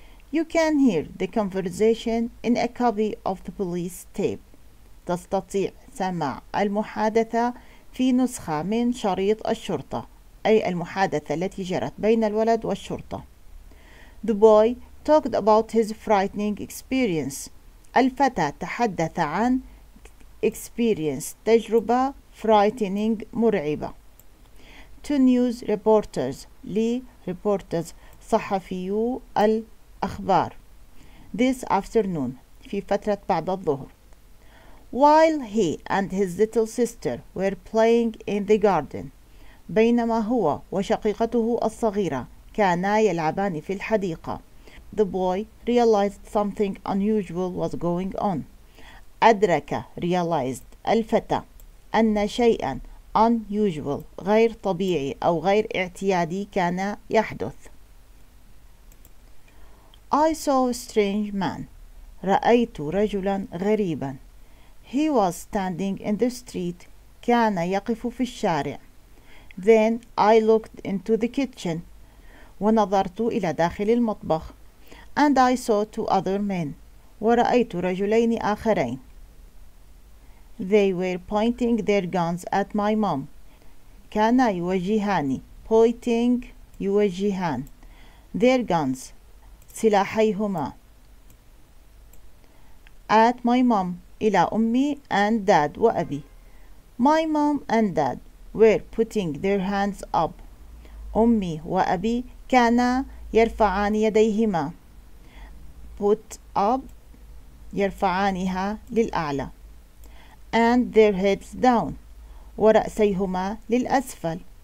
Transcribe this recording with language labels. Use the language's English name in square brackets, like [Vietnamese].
[English] You can hear the conversation in a copy of the police tape. [Arabic] تستطيع سماع المحادثة في نسخة من شريط الشرطة، أي المحادثة التي جرت بين الولد والشرطة. [English] The boy talked about his frightening experience. [Arabic] الفتى تحدث عن experience، تجربة، frightening، مرعبة. [English] To news reporters, لي reporters، [Arabic] صحفيو الأخبار. [English] This afternoon، [Arabic] في فترة بعد الظهر. [English] While he and his little sister were playing in the garden، [Arabic] بينما هو وشقيقته الصغيرة كانا يلعبان في الحديقة. [English] The boy realized something unusual was going on. [Arabic] أدرك، realized، الفتى أن شيئا unusual، غير طبيعي أو غير اعتيادي، كان يحدث. [English] I saw a strange man. [Arabic] رأيت رجلا غريبا. [English] He was standing in the street. [Arabic] كان يقف في الشارع. [English] Then I looked into the kitchen. [Arabic] ونظرت إلى داخل المطبخ. [English] And I saw two other men. [Arabic] ورأيت رجلين آخرين. [English] They were pointing their guns at my mom. [Arabic] كانا يوجهاني. Pointing، يوجهان. [English] Their guns، سلاحيهما. At my mom، [Arabic] إلى أمي. [English] And dad، وأبي. My mom and dad were putting their hands up. [Arabic] أمي وأبي كانا يرفعان يديهما. [English] Put up، [Arabic] يرفعانها للأعلى. [English] And their heads down، [Arabic] ورأسيهما للأسفل.